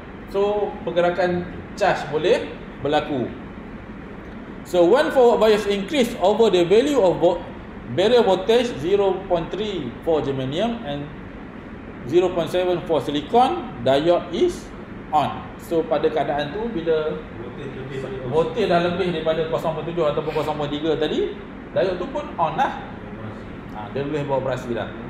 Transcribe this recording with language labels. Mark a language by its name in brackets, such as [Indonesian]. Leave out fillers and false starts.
[Malay] So pergerakan charge boleh berlaku. [English] So when forward bias increase over the value of barrier voltage 0.3 for germanium and 0.7 for silicon, diode is on. [Malay] So pada keadaan tu, bila voltage dah lebih daripada 0.7 ataupun 0.3 tadi, diode tu pun on lah. Dia boleh beroperasi dah.